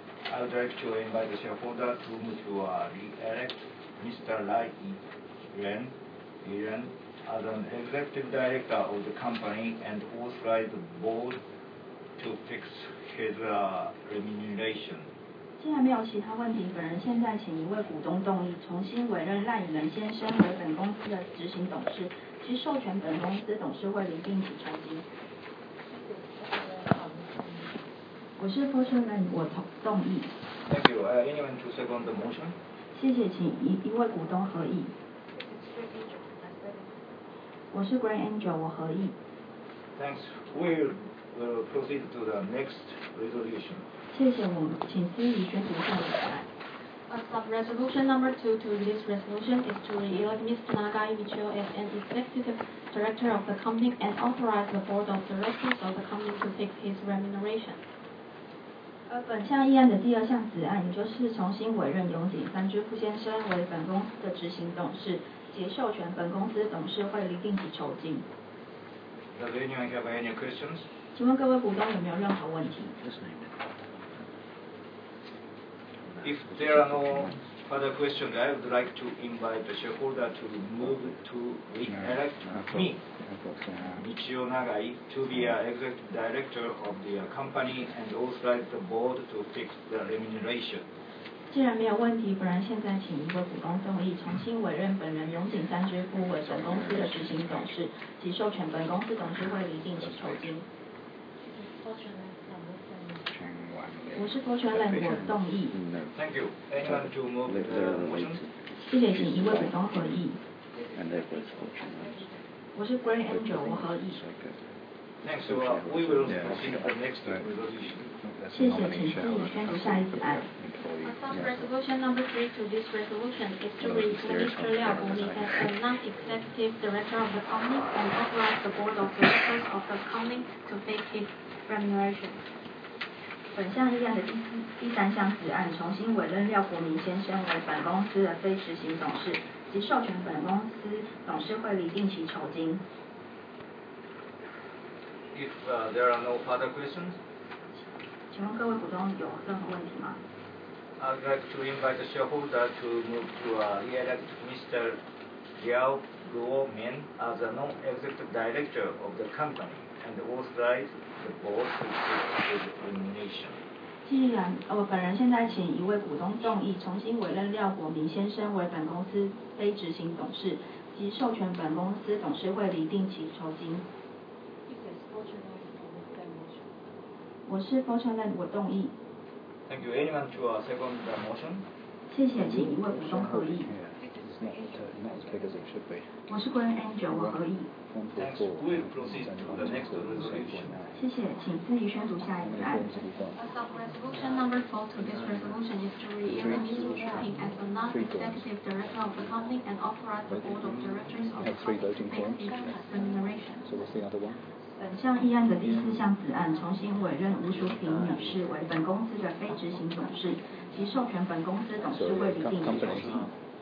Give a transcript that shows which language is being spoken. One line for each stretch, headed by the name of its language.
English: I would like to invite the shareholder to re-elect Mr. Lai Yizhen as an executive director of the company and authorize the board to fix his remuneration.
Chinese: 既然没有其他问题，本人现在请一位股东动议重新委任赖以仁先生为本公司的执行董事，其授权本公司董事会拟定其酬金。我是傅顺仁，我同意。
English: Thank you. Anyone to second the motion?
Chinese: 谢谢，请一位股东合议。我是 Grand Angel， 我合议。
English: Thanks. We will proceed to the next resolution.
Chinese: 谢谢，我们请司仪宣读下来。
English: A sub-resolution number 2 to this resolution is to re-elect Mr. Nagai Michio as an executive director of the company and authorize the board of directors of the company to fix his remuneration.
Chinese: 本项议案的第二项子案，也就是重新委任永井三之富先生为本公司的执行董事，且授权本公司董事会厘定其酬金。
English: Does anyone have any questions?
Chinese: 请问各位股东有没有任何问题
English: ？If there are no further questions, I would like to invite the shareholder to move to re-elect me, Michio Nagai, to be an executive director of the company and authorize the board to fix the remuneration.
Chinese: 既然没有问题，不然现在请一位股东动议重新委任本人永井三之富为本公司的执行董事，及授权本公司董事会厘定其酬金。我是柏泉冷，我动议。
English: Thank you. Anyone to move the motion?
Chinese: 谢谢，请一位股东合议。
English: And that was Paul Chen.
Chinese: 我是 Green Angel， 我合议。
English: Thanks. So, we will see the next resolution.
Chinese: 谢谢，请继续宣读下一次案。
English: Resolution number 3 to this resolution is to reappoint Mr. Liao Guoming as a non-executive director of the company and authorize the board of directors of the company to fix his remuneration.
Chinese: 本项议案的第三项子案重新委任廖国明先生为本公司的非执行董事，及授权本公司董事会厘定其酬金。
English: If there are no further questions,
Chinese: 请问各位股东有任何问题吗？
English: I'd like to invite the shareholder to move to re-elect Mr. Liao Guomin as a non-executive director of the company and authorize the board to take the remuneration.
Chinese: 既然我本人现在请一位股东动议重新委任廖国明先生为本公司非执行董事，及授权本公司董事会厘定其酬金。我是 Fortunate， 我动议。
English: Thank you. Anyone to second the motion?
Chinese: 谢谢，请一位股东合议。
English: Yeah, it's not as big as it should be.
Chinese: 我是 Green Angel， 我合议。
English: Thanks. We will proceed to the next resolution.
Chinese: 谢谢，请自己宣读下一个案。
English: Resolution number 4 to this resolution is to re-elect as a non-executive director of the company and authorize the board of directors of the company to fix his remuneration. So what's the other one?
Chinese: 本项议案的第四项子案重新委任吴淑萍女士为本公司的非执行董事，及授权本公司董事会厘定其酬金。